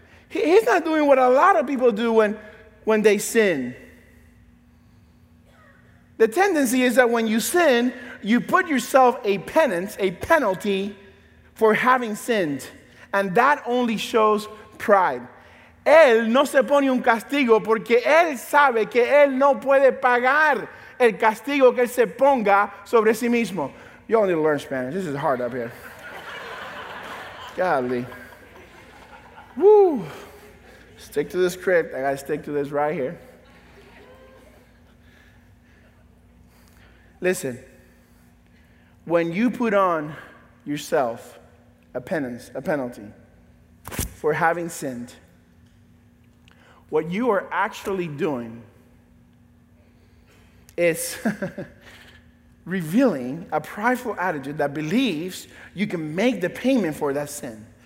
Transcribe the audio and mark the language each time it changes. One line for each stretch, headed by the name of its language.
English: He's not doing what a lot of people do when they sin. The tendency is that when you sin, you put yourself a penance, a penalty for having sinned. And that only shows pride.
Spanish: Él no se pone un castigo porque él sabe que él no puede pagar el castigo que él se ponga sobre sí mismo.
English: You all need to learn Spanish. This is hard up here. Godly. Woo. Stick to the script. I got to stick to this right here. Listen. When you put on yourself a penance, a penalty for having sinned, what you are actually doing is revealing a prideful attitude that believes you can make the payment for that sin.